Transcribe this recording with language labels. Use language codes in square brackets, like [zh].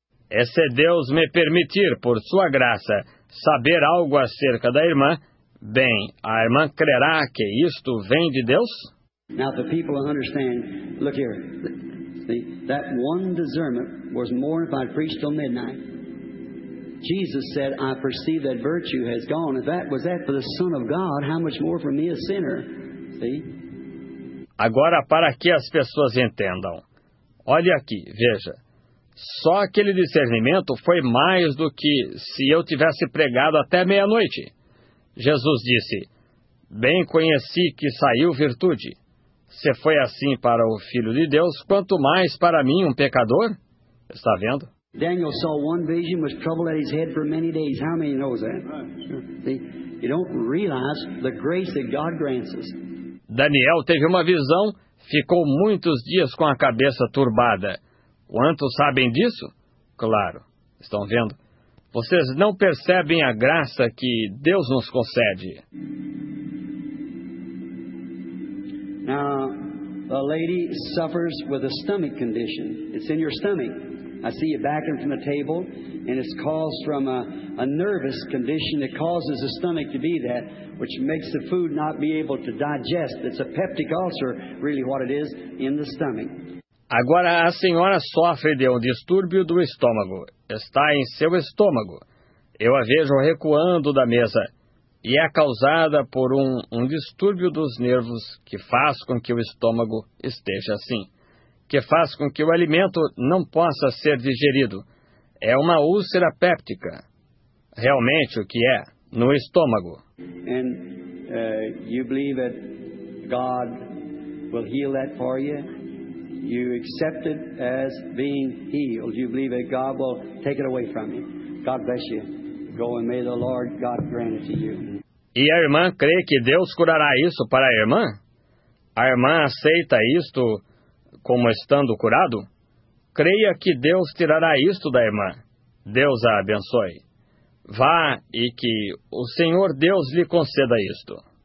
[pt] E se Deus me permitir, por sua graça, saber algo acerca da irmã, bem, a irmã crerá que isto vem de Deus? [en] Now the people understand, look here, see, that one discernment was more if I preached till midnight. Jesus said, I perceive that virtue has gone. If that was that for the Son of God, how much more for me, a sinner? See? [pt] Agora, para que as pessoas entendam. Olhe aqui, veja. Só aquele discernimento foi mais do que se eu tivesse pregado até meia-noite. Jesus disse, bem conheci que saiu virtude. Se foi assim para o Filho de Deus, quanto mais para mim, um pecador? Está vendo? [en] Daniel saw one vision with trouble at his head for many days. How many knows that? See, you don't realize the grace that God grants us. [pt] Daniel teve uma visão, ficou muitos dias com a cabeça turbada. Quantos sabem disso? Claro, estão vendo? Vocês não percebem a graça que Deus nos concede. [en] Now, a lady suffers with a stomach condition. It's in your stomach. I see you backing from the table, and it's caused from a nervous condition that causes the stomach to be that, which makes the food not be able to digest. It's a peptic ulcer, really what it is, in the stomach. [pt] Agora a senhora sofre de um distúrbio do estômago. Está em seu estômago. Eu a vejo recuando da mesa. E é causada por um distúrbio dos nervos que faz com que o estômago esteja assim. Que faz com que o alimento não possa ser digerido. É uma úlcera péptica. Realmente o que é? No estômago. [en] And you believe that God will heal that for you? You accept it as being healed. You believe that God will take it away from you. God bless you. Go and may the Lord God grant it to you. [pt] E a irmã crê que Deus curará isso para a irmã? A irmã aceita isto como estando curado? creia que Deus tirará isto da irmã. Deus a abençoe. Vá e que o Senhor Deus lhe conceda isto.